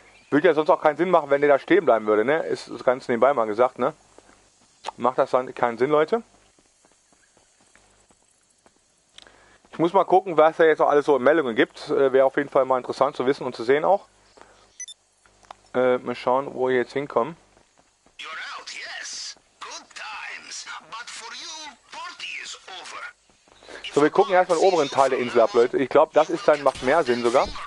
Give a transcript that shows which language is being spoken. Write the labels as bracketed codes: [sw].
[de] Würde ja sonst auch keinen Sinn machen, wenn der da stehen bleiben würde, ne? Ist das Ganze nebenbei mal gesagt, ne? Macht das dann keinen Sinn, Leute? Ich muss mal gucken, was da jetzt noch alles so in Meldungen gibt. Wäre auf jeden Fall mal interessant zu wissen und zu sehen auch. Mal schauen, wo wir jetzt hinkommen. [en] You're out, yes. Good times. But for you, party is over. [de] So, wir gucken erstmal den oberen Teil der Insel ab, Leute. Ich glaube, das ist dann, macht mehr Sinn sogar.